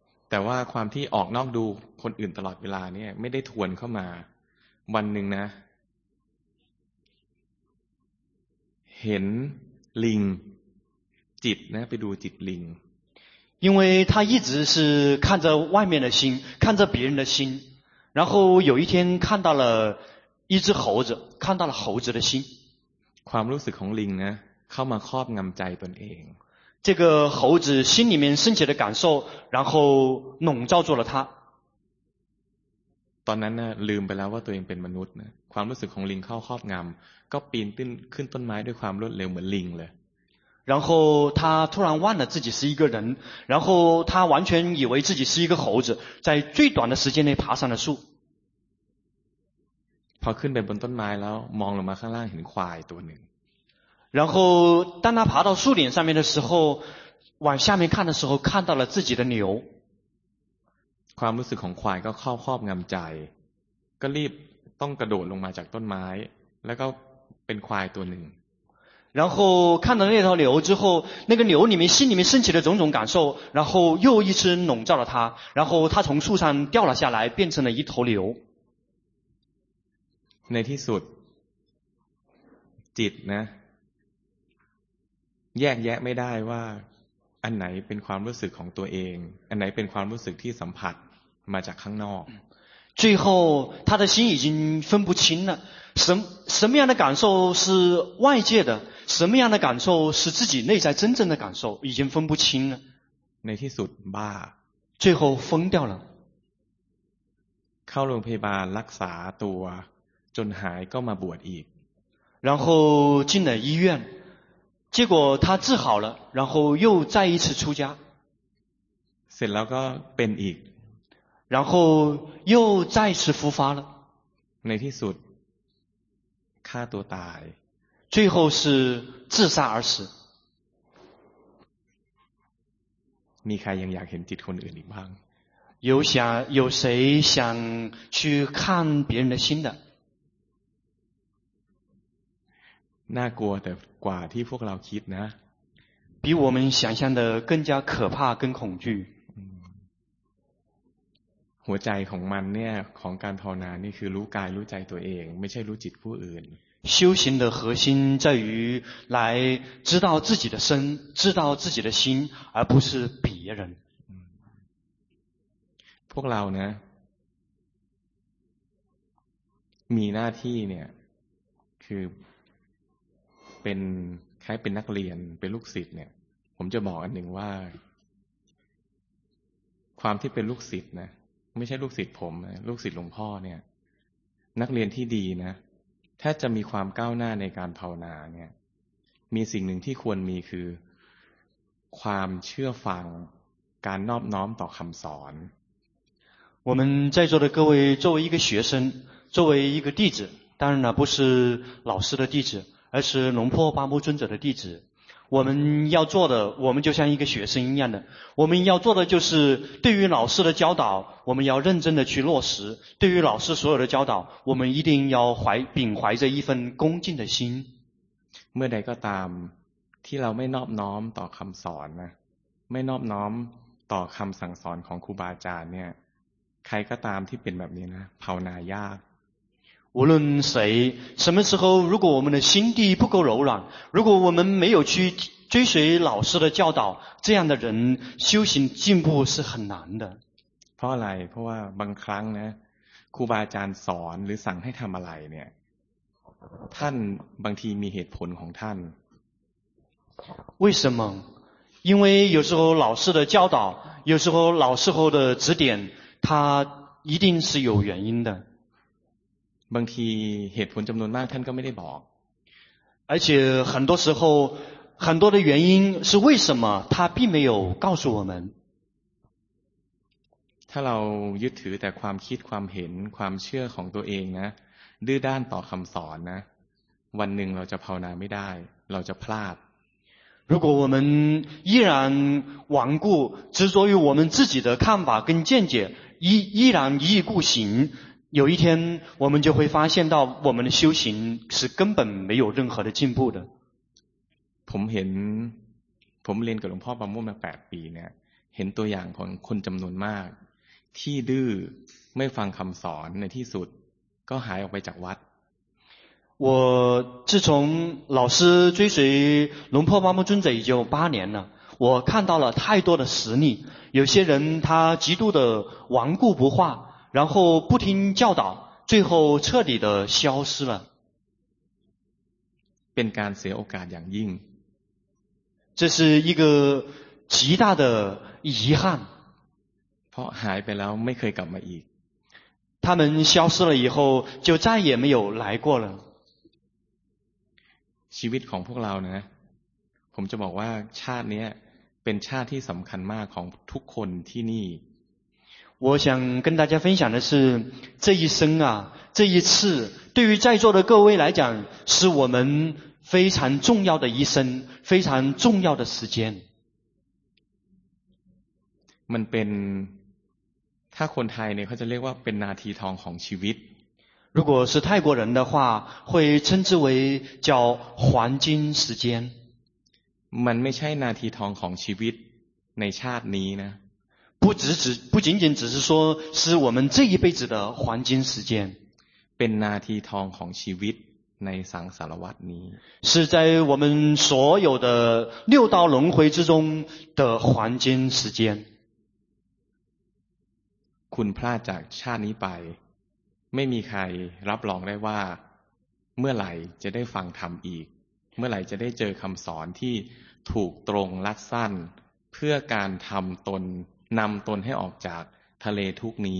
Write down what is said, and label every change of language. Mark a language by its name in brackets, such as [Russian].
[Thai] แต่ว่าความที่ออกนอกดูคนอื่นตลอดเวลาเนี่ยไม่ได้ทวนเข้ามาวันหนึ่งนะเห็นลิงจิตนะไปดูจิตลิง [Chinese] 因为他一直是看着外面的心看着别人的心然后有一天看到了一只猴子看到了猴子的心 [Thai] ความรู้สึกของลิงนะเข้ามาครอบงำใจตนเอง [Chinese] 这个猴子心里面升起的感受然后笼罩住了他 [Thai] ตอนนั้นนะลืมไปแล้วว่าตัวเองเป็นมนุษย์นะความรู้สึกของลิงเข้าครอบงำก็ปีนขึ้นต้นไม้ด้วยความรวดเร็วเหมือนลิงเลย [Chinese] 然后他突然忘了自己是一个人然后他完全以为自己是一个猴子在最短的时间内爬上了树 [Thai] พอขึ้นไปบนต้นไม้แล้วมองลงมาข้างล่างเห็นควายตัวหนึ่ง [Chinese] 然后当他爬到树顶上面的时候往下面看的时候看到了自己的牛 [Thai] ความรู้สึกของควายก็ครอบงำใจก็รีบต้องกระโดดลงมาจากต้นไม้แล้วก็เป็นควายตัวหนึ่ง [Chinese] 然后看到那条牛之后那个牛里面心里面升起了种种感受然后又一只笼罩了它然后它从树上掉了下来变成了一头牛 [Thai] ในที่สุดจิตนะแยกแยะไม่ได้ว่าอันไหนเป็นความรู้สึกของตัวเองอันไหนเป็นความรู้สึกที่สัมผัสมาจากข้างนอก [Chinese] 最后他的心已经分不清了什么样的感受是外界的什么样的感受是自己内在真正的感受已经分不清了 [Thai] ในที่สุดบ้า [Chinese] 最后疯掉了 [Thai] เข้าโรงพยาบาลรักษาตัวจนหายก็มาบวชอีก [Chinese] 然后进了医院结果他治好了然后又再一次出家 [Thai] เสร็จแล้วก็เป็นอีก [Chinese] 然后又再次复发了 [Thai] ในที่สุดฆ่าตัวตาย [Chinese] 最后是自杀而死 [Thai] มีใครยังอยากเห็นจิตคนอื่นอีกบ้าง [Chinese] 有谁想去看别人的心的 [Thai] น่ากลัวแต่กว่าที่พวกเราคิดนะ [Chinese] 比我们想象的更加可怕更恐惧 [Thai] หัวใจของมันเนี่ยของการภาวนานี่คือรู้กายรู้ใจตัวเองไม่ใช่รู้จิตผู้อื่น [Chinese] 修行的核心在于来知道自己的身知道自己的心而不是别人 [Thai] พวกเรานะมีหน้าที่เนี่ยคือเป็นคล้ายเป็นนักเรียนเป็นลูกศิษย์เนี่ยผมจะบอกอันหนึ่งว่าความที่เป็นลูกศิษย์นะไม่ใช่ลูกศิษย์ผมนะลูกศิษย์หลวงพ่อเนี่ยนักเรียนที่ดีนะถ้าจะมีความก้าวหน้าในการภาวนาเนี่ยมีสิ่งหนึ่งที่ควรมีคือความเชื่อฟังการนอบน้อมต่อคำสอน [Chinese] 我们在座的各位作为一个学生作为一个弟子当然了不是老师的弟子而是龙婆八木尊者的弟子我们要做的我们就像一个学生一样的我们要做的就是对于老师的教导我们要认真的去落实对于老师所有的教导我们一定要秉怀着一份恭敬的心 [Thai] เมื่อใดก็ตามที่เราไม่นอบน้อมต่อคำสอนนะไม่นอบน้อมต่อคำสั่งสอนของครูบาอาจารย์เนี่ยใครก็ตามที่เป็นแบบนี้นะภาวนายาก [Chinese] 无论谁什么时候如果我们的心地不够柔软如果我们没有去追随老师的教导这样的人修行进步是很难的 [Thai] เพราะอะไรเพราะว่าบางครั้งนะครูบาอาจารย์สอนหรือสั่งให้ทำอะไรเนี่ยท่านบางทีมีเหตุผลของท่าน [Chinese] 为什么因为有时候老师的教导有时候老师后的指点他一定是有原因的。 [Thai] บางทีเหตุผลจำนวนมากท่านก็ไม่ได้บอก。 [Chinese] 而且很多时候很多的原因是为什么他并没有告诉我们。 [Thai] ถ้าเรายึดถือแต่ความคิดความเห็นความเชื่อของตัวเองนะดื้อด้านต่อคำสอนนะวันหนึ่งเราจะภาวนาไม่ได้เราจะพลาด [Chinese] 如果我们依然顽固执着于我们自己的看法跟见解 依然一意孤行有一天我们就会发现到我们的修行是根本没有任何的进步的 [Thai] ผมเห็นผมเรียนกับหลวงพ่อประมุ่งมา8ปีเนี่ยเห็นตัวอย่างของคนจำนวนมากที่ดื้อไม่ฟังคำสอนในที่สุดก็หายออกไปจากวัด [Chinese] 我自从老师追随龙破巴木尊者已经有八年了，我看到了太多的实例。有些人他极度的顽固不化，然后不听教导，最后彻底的消失了。 [Thai] เป็นการเสียโอกาสอย่างยิ่ง。 [Chinese] 这是一个极大的遗憾。 [Thai] เพราะหายไปแล้วไม่เคยกลับมาอีก。 [Chinese] 他们消失了以后，就再也没有来过了。 [Thai] ชีวิตของพวกเรานะผมจะบอกว่าชาตินี้เป็นชาติที่สำคัญมากของทุกคนที่นี่ [Chinese] 我想跟大家分享的是这一生啊这一次对于在座的各位来讲是我们非常重要的一生非常重要的时间 [Thai] มันเป็นถ้าคนไทยเนี่ยเขาจะเรียกว่าเป็นนาทีทองของชีวิต [Chinese] 如果是泰国人的话会称之为叫黄金时间 [Thai] มันไม่ใช่นาทีทองของชีวิตในชาตินี้นะ [Chinese] 不仅仅只是说是我们这一辈子的黄金时间 [Thai] เป็นนาทีทองของชีวิตในสังสารวัฏนี้ [Chinese] 是在我们所有的六道轮回之中的黄金时间 [Thai] คุณพลาดจากชาตินี้ไปไม่มีใครรับรองได้ว่าเมื่อไหร่จะได้ฟังธรรมอีกเมื่อไหร่จะได้เจอคำสอนที่ถูกตรงรัดสั้นเพื่อการทำตนนำตนให้ออกจากทะเลทุกนี